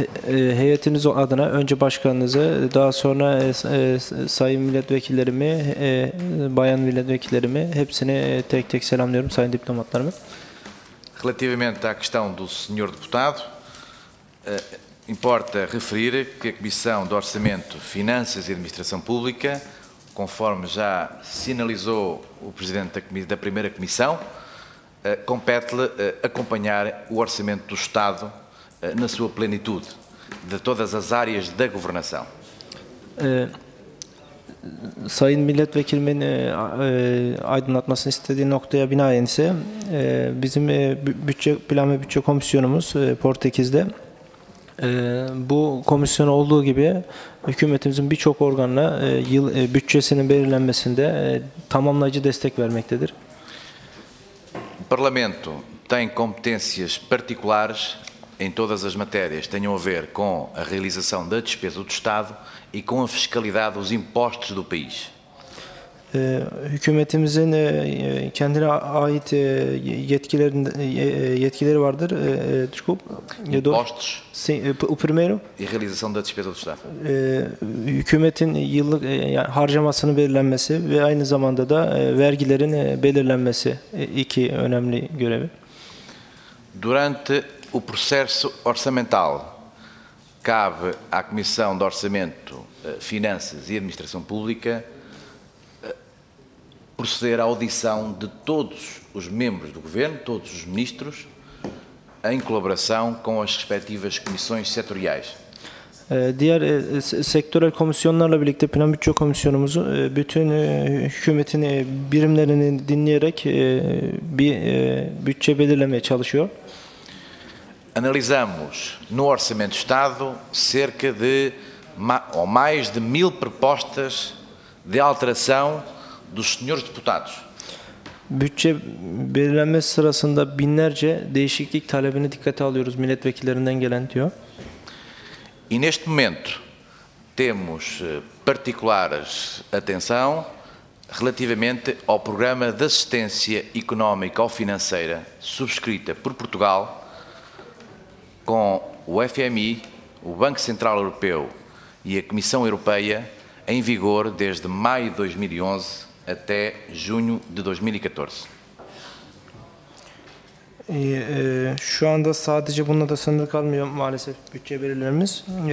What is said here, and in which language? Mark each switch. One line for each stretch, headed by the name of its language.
Turkish: Heyetiniz adına önce başkanınızı, daha sonra sayın milletvekillerimi, bayan milletvekillerimi, hepsini tek tek selamlıyorum, sayın diplomatlarımı.
Portuguese: Relativamente à questão do senhor deputado, importa referir que a Comissão de Orçamento, Finanças e Administração Pública, conforme já sinalizou o Presidente da Primeira Comissão, compete-lhe acompanhar o Orçamento do Estado na sua plenitude, de todas as áreas da governação.
Turkish: Sayın Milletvekilimin aydınlatmasını istediği noktaya binaen ise bizim bütçe plan ve bütçe komisyonumuz Portekiz'de bu komisyon olduğu gibi hükümetimizin birçok organına yıl bütçesinin belirlenmesinde tamamlayıcı destek vermektedir.
Portuguese: Parlamento tem competências particulares em todas as matérias que tenham a ver com a realização da despesa do Estado e com a fiscalidade dos impostos do país.
Turkish: Hükümetimizin kendine ait yetkileri vardır.
Portuguese: Impostos. Sim, o primeiro. E realização da despesa do Estado.
Turkish: Hükümetin yıllık yani harcamasının belirlenmesi ve aynı zamanda da vergilerin belirlenmesi iki önemli görevi.
Portuguese: Durante o processo orçamental, cabe à Comissão de Orçamento, Finanças e Administração Pública proceder à audição de todos os membros do Governo, todos os ministros, em colaboração com as respectivas comissões setoriais.
Turkish: Diğer sektörel komisyonlarla birlikte plan bütçe komisyonumuzu bütün hükümetin birimlerini dinleyerek bir bütçe belirlemeye çalışıyor.
Portuguese: Analisamos no Orçamento do Estado cerca de ou mais de 1000 propostas de alteração dos senhores deputados.
Turkish: Bütçe belirlenmesi sırasında binlerce değişiklik talebini dikkate alıyoruz milletvekillerinden gelen diyor.
Portuguese: E neste momento temos particulares atenção relativamente ao programa de assistência económica ou financeira subscrita por Portugal com o FMI, o Banco Central Europeu e a Comissão Europeia em vigor desde maio de 2011 até junho de 2014.
Turkish: Şu anda sadece bununla da sınırlı kalmıyor maalesef bütçelerimiz.